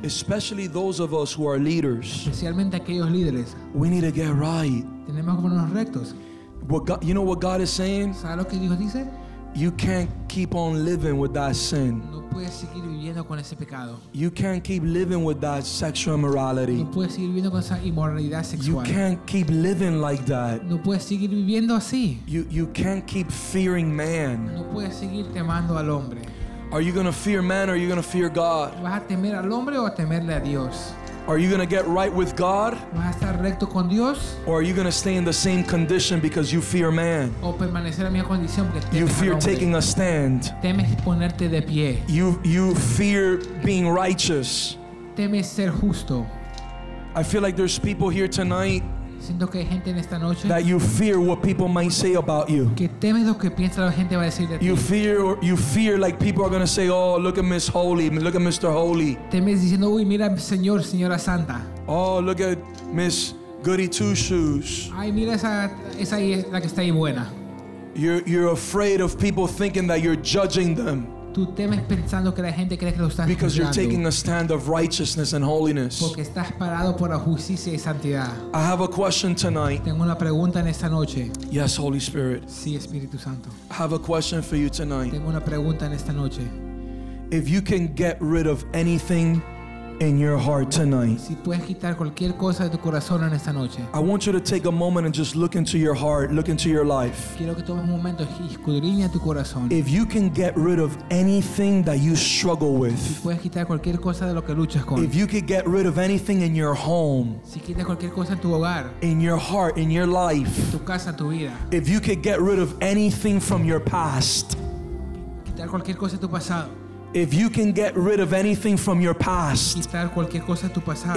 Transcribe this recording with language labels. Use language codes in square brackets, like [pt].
[en] Especially those of us who are leaders. [es] Especialmente aquellos líderes. [en] We need to get right. [es] Tenemos que ponernos rectos. [en] What God, you know what God is saying? [es] ¿Sabes lo que Dios dice? [en] You can't keep on living with that sin. [es] No puedes seguir viviendo con ese pecado. [en] You can't keep living with that sexual immorality. [es] No puedes seguir viviendo con esa inmoralidad sexual. [en] You can't keep living like that. [es] No puedes seguir viviendo así. [en] You can't keep fearing man. [es] No puedes seguir temiendo al hombre. [en] Are you going to fear man or are you going to fear God? [es] ¿Vas a temer al hombre o a temerle a Dios? [en] Are you going to get right with God? [es] ¿Vas a estar recto con Dios? [en] Or are you going to stay in the same condition because you fear man? [es] ¿O permanecer en la misma condición porque temes [en] you fear [es] al hombre? [en] Taking a stand. [es] ¿Temes ponerte de pie? [en] You fear being righteous. [es] ¿Temes ser justo? [en] I feel like there's people here tonight [es] siento que hay gente en esta noche [en] that you fear what people might say about you. [es] Que temes lo que piensa la gente va a decir de ti. [en] You fear like people are going to say, oh, look at Miss Holy, look at Mr. Holy. [es] Temes diciendo, uy, mira, señor, señora santa. [en] Oh, look at Miss Goody Two Shoes. [es] Ay, mira esa es la que está ahí buena. [en] You're afraid of people thinking that you're judging them. [es] Tú temes pensando que la gente cree que lo estás juzgando. [en] Because you're taking a stand of righteousness and holiness. [es] Porque estás parado por la justicia y santidad. [en] I have a question tonight. [es] Tengo una pregunta en esta noche. [en] Yes, Holy Spirit. [es] Sí, Espíritu Santo. [en] I have a question for you tonight. [es] Tengo una pregunta en esta noche. [en] If you can get rid of anything in your heart tonight. [es] Si puedes quitar cualquier cosa de tu corazón en esta noche. [en] I want you to take a moment and just look into your heart, look into your life. [es] Quiero que tomes un momento y escudriñes tu corazón. [en] If you can get rid of anything that you struggle with. [es] Si puedes quitar cualquier cosa de lo que luchas con. [en] If you could get rid of anything in your home. [es] Si quitas cualquier cosa en tu hogar. [en] In your heart, in your life. [es] En tu casa, tu vida. [en] If you could get rid of anything from your past. [es] Quitar cualquier cosa de tu pasado. [en] If you can get rid of anything from your past. [es] Quitar cualquier cosa de tu pasado.